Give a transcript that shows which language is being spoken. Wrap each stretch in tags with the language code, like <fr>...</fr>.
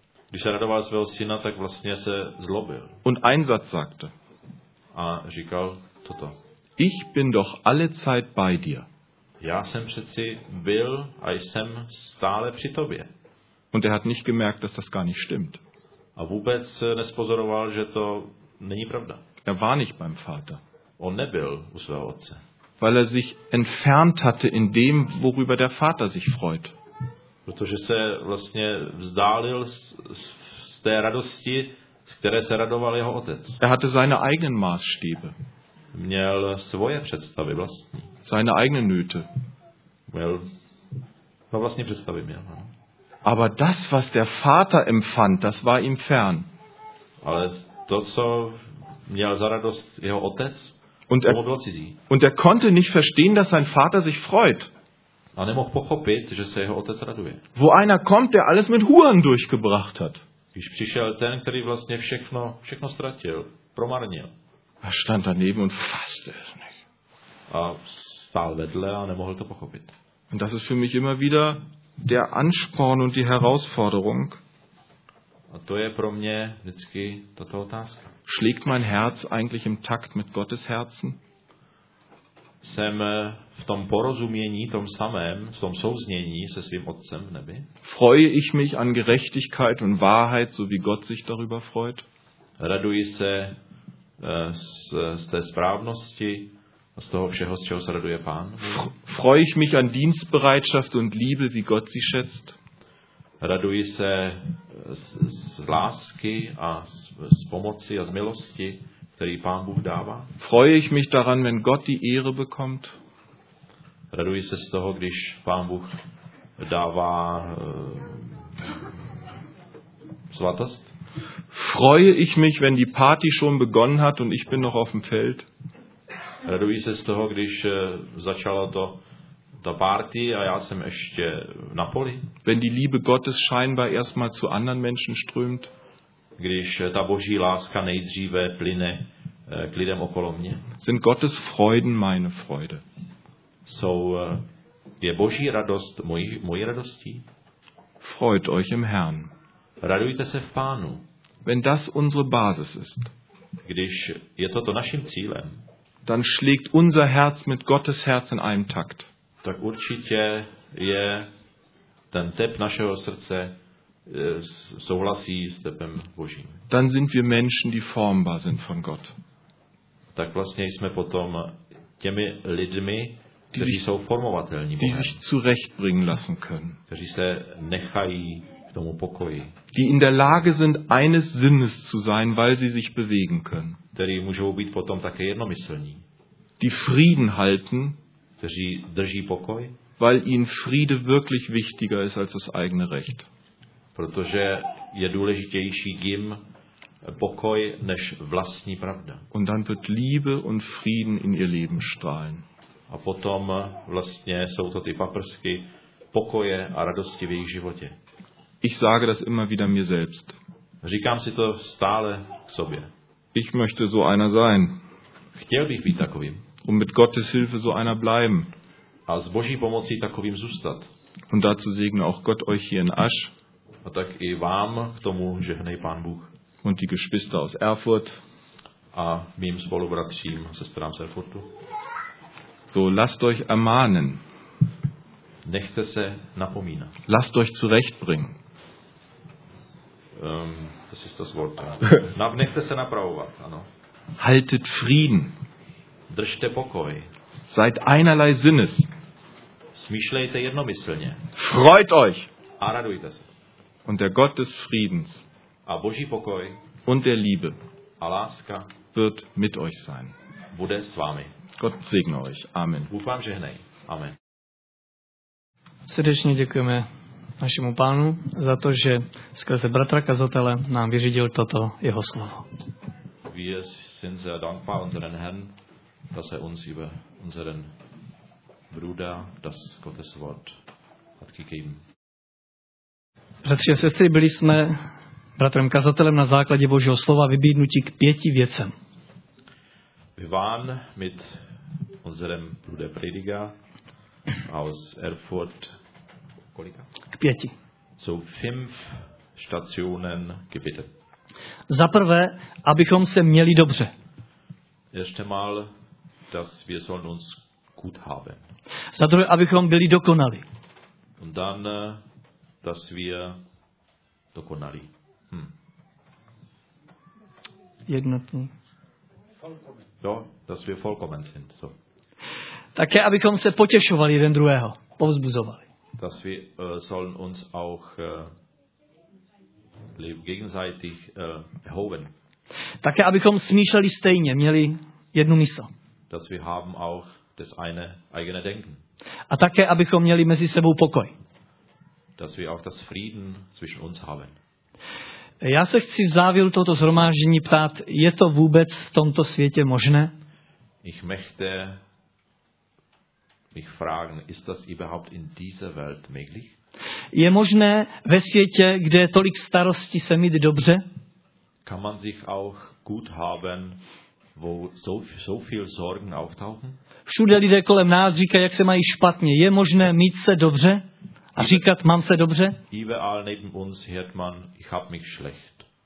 <cs>Když se radoval svého syna, tak vlastně se zlobil.</cs> <de>Und ein Satz sagte.</de> <cs>A říkal toto.</cs> <de>Ich bin doch alle Zeit bei dir.</de> <cs>Já jsem přeci byl a jsem stále při tobě.</cs> <de>Und hat nicht gemerkt, dass das gar nicht stimmt.</de> <cs>A vůbec nespozoroval, že to není pravda.</cs> <de>Er war nicht beim Vater.</de> <cs>On nebyl u svého otce.</cs> <de>Weil sich entfernt hatte in dem, worüber der Vater sich freut.</de> <cs>Protože se vlastně vzdálil z té radosti, z které se radoval jeho otec.</cs> <de>Er hatte seine eigenen Maßstäbe.</de> <cs>Měl svoje představy vlastní.</cs> <de>Seine eigene Nöte.</de> <cs>Měl, no vlastně představy měl. No.</cs> <de>Aber das, was der Vater empfand, das war ihm fern.</de> <cs>Ale to, co měl za radost jeho otec, to bylo cizí.</cs> <de>Und er konnte nicht verstehen, dass sein Vater sich freut.</de> <cs>A nemohl pochopit, že se jeho otec raduje.</cs> <de>Wo einer kommt, der alles mit Huren durchgebracht hat.</de> <cs>Když přišel ten, který vlastně všechno ztratil, promarnil.</cs> <de>A stand daneben und fasste es nicht.</de> <cs>A stál vedle a nemohl to pochopit.</cs> <de>Und das ist für mich immer wieder der Ansporn und die Herausforderung.</de> <cs>A to je pro mě vždycky tato otázka.</cs> <de>Schlägt mein Herz eigentlich im Takt mit Gottes Herzen?</de> <cs>Jsem v tom porozumění, tom samém, v tom souznění se svým Otcem v nebi?</cs> <de>Freue ich mich an Gerechtigkeit und Wahrheit, so wie Gott sich darüber freut?</de> <cs>Raduji se z té správnosti, z toho všeho, z čeho se raduje Pán?</cs> <de>Freue ich mich an Dienstbereitschaft und Liebe, wie Gott sie schätzt?</de> <cs>Raduji se z lásky a z pomoci a z milosti, který Pán Bůh dává?</cs> <de>Freue ich mich daran, wenn Gott die Ehre bekommt?</de> <cs>Raduji se z toho, když Pán Bůh dává svatost?</cs> <de>Freue ich mich, wenn die Party schon begonnen hat und ich bin noch auf dem Feld?</de> <cs>Raduji se z toho, když začala to ta party a já jsem ještě na poli?</cs> <de>Wenn die Liebe Gottes scheinbar erstmal zu anderen Menschen strömt?</de> <cs>Když ta Boží láska nejdříve plyne k lidem okolo mě?</cs> <de>Sind Gottes Freuden meine Freude?</de> <cs>Je Boží radost mojí radostí?</cs> <de>Freut euch im Herrn.</de> <cs>Radujte se v Pánu.</cs> <de>Wenn das unsere Basis ist.</de> <cs>Když je toto naším cílem.</cs> <de>Dann schlägt unser Herz mit Gottes Herz in einem Takt.</de> <cs>Tak určitě je ten tep našeho srdce souhlasí s tepem Božím.</cs> <de>Dann sind wir Menschen, die formbar sind von Gott.</de> <cs>Tak vlastně jsme potom těmi lidmi, kteří jsou formovatelní.</cs> <de>Die sich zurechtbringen lassen können.</de> <cs>Kteří se nechají k tomu pokoji.</cs> <de>Die in der Lage sind, eines Sinnes zu sein, weil sie sich bewegen können.</de> <cs>Kteří můžou být potom také jednomyslní.</cs> <de>Die Frieden halten,</de> <cs>kteří drží pokoj,</cs> <de>weil ihnen Friede wirklich wichtiger ist als das eigene Recht.</de> <cs>Protože je důležitější jim pokoj než vlastní pravda.</cs> <de>Und dann wird Liebe und Frieden in ihr Leben strahlen.</de> <cs>A potom vlastně jsou to ty paprsky pokoje a radosti v jejich životě.</cs> <de>Ich sage das immer wieder mir selbst.</de> <cs>Říkám si to stále k sobě.</cs> <de>Ich möchte so einer sein.</de> <cs>Chtěl bych být takovým.</cs> <de>Und mit Gottes Hilfe so einer bleiben.</de> <cs>A s Boží pomocí takovým zůstat.</cs> <de>Und dazu segne auch Gott euch hier in Asch.</de> <cs>A tak i vám k tomu žehnej Pán Bůh.</cs> <de>Und die Geschwister aus Erfurt.</de> <cs>A mým spolubratřím, sestrám z Erfurtu.</cs> <de>So, lasst euch ermahnen.</de> <cs>Nechte se napomínat.</cs> <de>Lasst euch zurechtbringen. Das ist das Wort.</de> <cs>Nechte se napravovat, ano.</cs> <de>Haltet Frieden.</de> <cs>Držte pokoj.</cs> <de>Seid einerlei Sinnes.</de> <cs>Smýšlejte jednomyslně.</cs> <de>Freut euch.</de> <cs>A radujte se.</cs> <de>Und der Gott des Friedens</de> <cs>a Boží pokoj</cs> <de>und der Liebe</de> <cs>a láska</cs> <de>wird mit euch sein.</de> <cs>Bude s vámi.</cs> <de>Gott segne euch. Amen.</de> <cs>Bůh vám žehnej. Amen. Srdečně děkujeme našemu Pánu za to, že skrze bratra kazatele nám vyřídil toto jeho slovo.</cs> <de>Wir sind sehr dankbar unseren Herrn, dass uns über unseren Bruder das Gottes Wort hat gegeben.</de> <cs>Bratři a sestry, byli jsme bratrem kazatelem na základě Božího slova vybídnutí k pěti věcem.</cs> <de>Wir waren mit unserem Bruder Prediger aus Erfurt.</de> <cs>Kolika? K pěti. Jsou</cs> <de>fünf Stationen gebeten.</de> <cs>Za prvé, abychom se měli dobře. Ještě</cs> <de>mal, dass wir sollen uns gut haben.</de> <cs>Za druhé, abychom byli dokonali.</cs> <de>Und dann, dass wir</de> <cs>dokonali. Jednotní.</cs> <de>Jo, dass wir vollkommen sind. So.</de> <cs>Také, abychom se potěšovali jeden druhého, povzbuzovali.</cs> <de>Dass wir sollen uns auch gegenseitig erhoben.</de> <cs>Také, abychom smýšleli stejně, měli jednu mysl.</cs> <de>Dass wir haben auch das eine eigene Denken.</de> <cs>A také, abychom měli mezi sebou pokoj.</cs> <de>Dass wir auch das Frieden zwischen uns haben.</de> <cs>Já se chci v závěru tohoto shromáždění ptát, je to vůbec v tomto světě možné?</cs> <de>Ich möchte mich fragen, ist das überhaupt in dieser Welt möglich?</de> <cs>Je možné ve světě, kde je tolik starostí, se mít dobře?</cs> <de>Kann man sich auch gut haben wo so, so viel Sorgen auftauchen?</de> <cs>Všude lidé kolem nás říkají, jak se mají špatně. Je možné mít se dobře? A říkat, mám se dobře?</cs> <de>Überall neben uns hört man, ich hab mich schlecht.</de>